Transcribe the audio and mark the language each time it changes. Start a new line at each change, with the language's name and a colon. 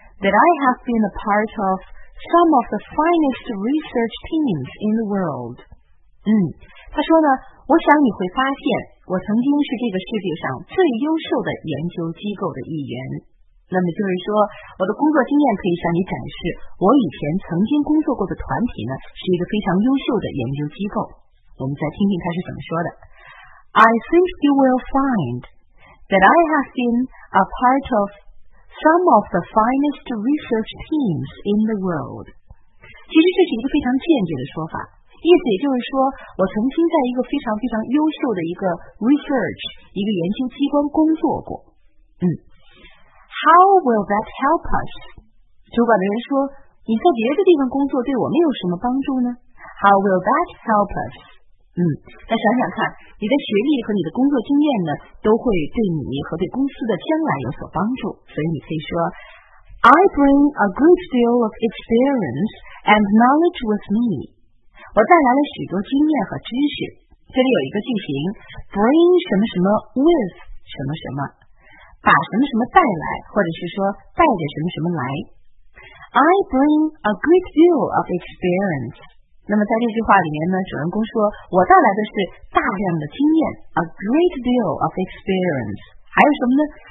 English: that I have been a part of some of the finest research teams in the world.
Chinese: 他说呢，我想你会发现我曾经是这个世界上最优秀的研究机构的一员。那么就是说，我的工作经验可以向你展示，我以前曾经工作过的团体呢，是一个非常优秀的研究机构。我们再听听他是怎么说的。
English: I think you will find that I have been a part of some of the finest research teams in the world.
Chinese: 其实这是一个非常间接的说法，意思也就是说，我曾经在一个非常非常优秀的一个 research 一个研究机关工作过。
English: How will that help us?
Chinese: 主管的人说，你在别的地方工作对我们有什么帮助呢？
English: How will that help us?
Chinese: 那想想看，你的学历和你的工作经验呢，都会对你和对公司的将来有所帮助。所以你可以说，
English: I bring a good deal of experience and knowledge with me.
Chinese: 我带来了许多经验和知识。这里有一个句型， bring 什么什么 with 什么什么，把什么什么带来，或者是说带着什么什么来。
English: I bring a great deal of experience.
Chinese: 那么在这句话里面呢，主人公说，我带来的是大量的经验，
English: a great deal of experience.
Chinese: 还有什么呢？